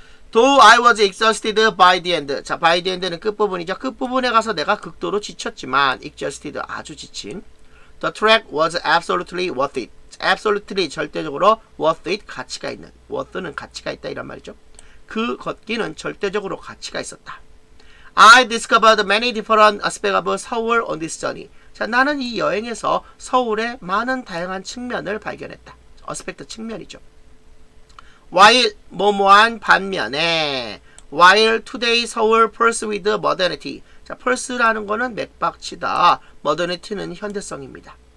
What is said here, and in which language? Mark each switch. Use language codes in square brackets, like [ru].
[en] Though I was exhausted by the end. 자, by the end는 [ko] 끝부분이죠. 끝부분에 가서 내가 극도로 지쳤지만 exhausted 아주 지친. [en] The track was absolutely worth it. Absolutely [ko] 절대적으로 [en] worth it [ko] 가치가 있는. worth는 가치가 있다 이런 말이죠. 그 걷기는 절대적으로 가치가 있었다. [en] I discovered many different aspects of Seoul on this journey. [ko] 자, 나는 이 여행에서 서울의 많은 다양한 측면을 발견했다. [en] aspect 측면이죠. While [ko] 뭐뭐한 반면에 [en] While today Seoul pulses with modernity. [ko] 자, pulse라는 거는 맥박치다. modernity는 현대성입니다.